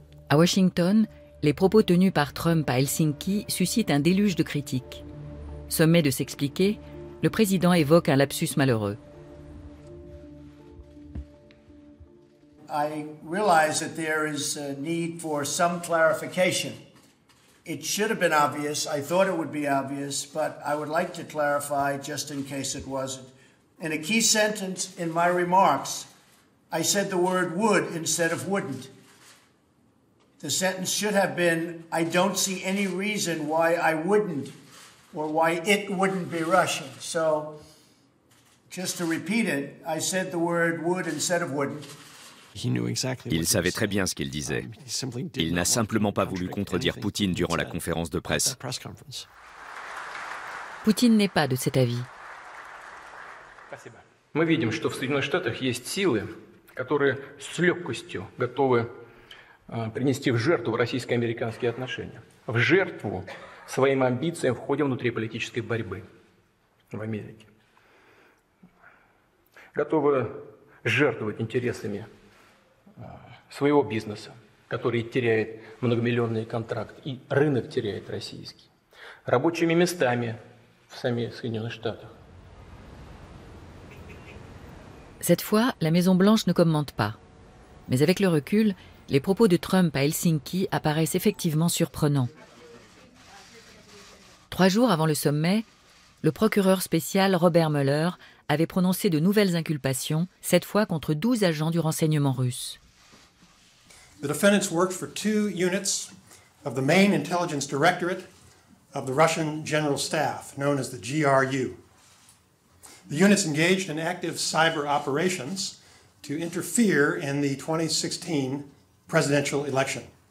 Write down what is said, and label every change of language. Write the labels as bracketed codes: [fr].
[fr] À Washington, les propos tenus par Trump à Helsinki suscitent un déluge de critiques. Sommet de s'expliquer, le président évoque un lapsus malheureux. [en] I realize that there is a need for some clarification. It should have been obvious. I thought it would be obvious, but I would like to clarify just in case it wasn't. In a key sentence in my remarks, I said the word would instead of wouldn't. The sentence should have been, I don't see any reason why I wouldn't or why it wouldn't be Russia. So just to repeat it, I said the word would instead of wouldn't. [fr] Il savait très bien ce qu'il disait. Il n'a simplement pas voulu contredire Poutine durant la conférence de presse. Poutine n'est pas de cet avis. [ru] Мы видим, что в Соединенных Штатах есть силы, которые с легкостью готовы принести в жертву российско-американские отношения, в жертву своим амбициям в ходе внутриполитической борьбы в Америке. Готовы жертвовать интересами своего бизнеса, который теряет многомиллионный контракт, и рынок теряет российский, рабочими местами в самих Соединенных Штатах. [fr] Cette fois, la Maison-Blanche ne commente pas. Mais avec le recul, les propos de Trump à Helsinki apparaissent effectivement surprenants. Trois jours avant le sommet, le procureur spécial Robert Mueller avait prononcé de nouvelles inculpations, cette fois contre 12 agents du renseignement russe. [en] The defendants worked for two units of the main intelligence directorate of the Russian General Staff, known as the GRU. The units engaged in active cyber operations to interfere in the 2016 presidential election.